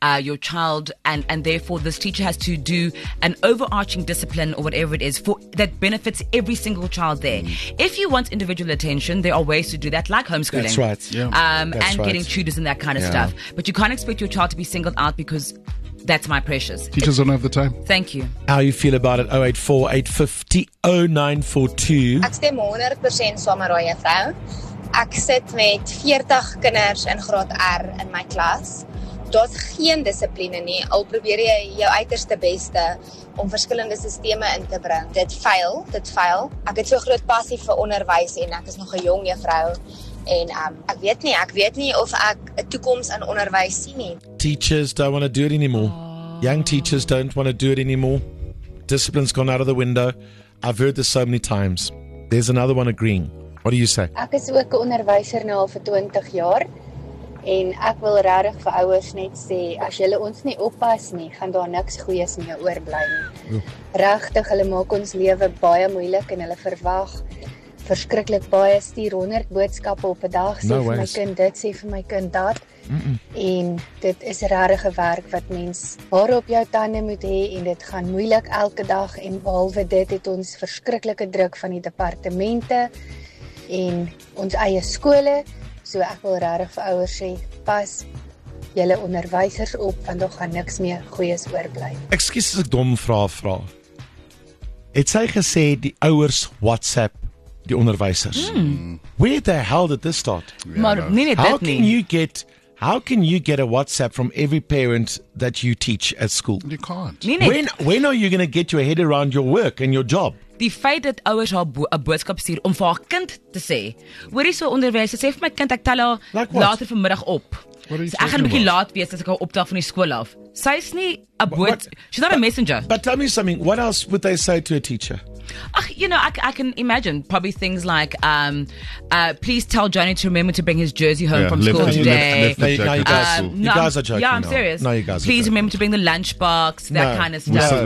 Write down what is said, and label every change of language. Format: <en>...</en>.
<en>Your child, and therefore this teacher has to do an overarching discipline or whatever it is for that benefits every single child there. If you want individual attention, there are ways to do that, like homeschooling. That's right, Getting tutors and that kind of stuff. But you can't expect your child to be singled out because that's my precious. Teachers don't have the time. Thank you. How you feel about it? 084-850-0942.</en> <af>Ek stem 100% saam met daai vrou. Ek sit met 40 kinders in graad R in my klas. Daar's geen dissipline nie. Al probeer jy jou uiterste beste om verskillende sisteme in te bring. Dit faal. Ek het so groot passie vir onderwys en ek is nog 'n jong juffrou en ek weet nie of ek 'n toekoms in onderwys sien nie.</af> <en>Teachers don't want to do it anymore. Aww. Young teachers don't want to do it anymore. Discipline's gone out of the window. I've heard this so many times. There's another one agreeing. What do you say?</en> <af>Ek is ook 'n onderwyser nou al vir 20 jaar En ek wil regtig vir ouers net sê, as julle ons nie oppas nie, gaan daar niks goeies meer oorbly nie. Regtig, hulle maak ons lewe baie moeilik en hulle verwag verskriklik baie, stuur 100 boodskappe op 'n dag, sê vir my kind dit, sê vir my kind dat. En dit is regtig 'n werk wat mens hare op jou tande moet hê en dit gaan moeilik elke dag en behalwe dit het ons verskriklike druk van die departemente en ons eie skole. So ek wil regtig vir ouers sê, pas julle onderwysers op, want daar gaan niks meer goeies oorbly. Ekskuus as ek dom vra. Het sy gesê die ouers WhatsApp die onderwysers?</af> <en>Where the hell did this start?</en> <af>Yeah, maar nie net dit nie.</af> <en>How can you get a WhatsApp from every parent that you teach at school? You can't. When are you going to get your head around your work and your job?</en> <af>Die feit dat ouers haar 'n boodskap stuur om vir haar kind te sê, hoorie so onderwysers, sê vir my kind ek tel haar</af> <en>like</en> <af>later vanmiddag op. So ek gaan 'n bietjie laat wees as ek haar opdag van die skool af. Sy is nie 'n boot,</af> <en>she's not a messenger. But tell me something, what else would they say to a teacher? Ach, you know, I can imagine probably things like, please tell Johnny to remember to bring his jersey home from school today. You guys are joking. Yeah, I'm serious. No, you guys are please joking. Remember to bring the lunchbox, that kind of stuff.</en>